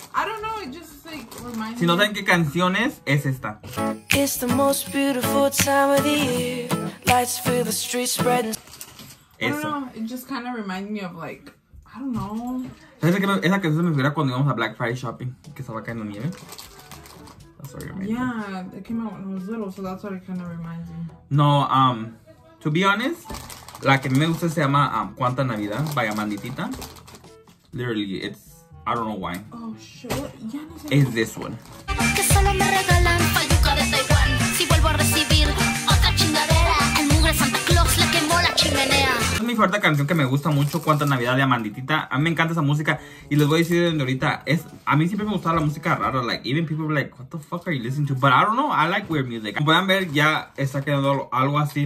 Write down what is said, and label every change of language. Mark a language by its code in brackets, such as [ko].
[en] I don't know, it just like reminds me. [es] Si no saben qué canción es esta. [en] It's the most beautiful time of the year. Lights fill the streets spreading. Eso. It just kind of reminds me of like, I don't know. [es] Esa canción se me figura cuando íbamos a Black Friday shopping, que estaba cayendo nieve. [en] That's what it reminds me. Yeah, it came out when I was little, so that's what it kind of reminds me. [es] No, [en] to be honest, [es] la que me gusta se llama Cuánta Navidad, by Amanditita. [en] Literally, it's, I don't know why. Oh, shit. [es] Ya no sé. [en] It's this one. [es] Que solo me regalan payuca de Taiwán. Si vuelvo a recibir otra chingadera. El mugre Santa Claus le quemó la chimenea. Mi fuerte canción que me gusta mucho, Cuánta Navidad de Amandititita. A mí me encanta esa música. Y les voy a decir desde ahorita, es, a mí siempre me gustaba la música rara. [en] Like, even people were like, what the fuck are you listening to? But I don't know, I like weird music. [es] Como pueden ver, ya está quedando algo así.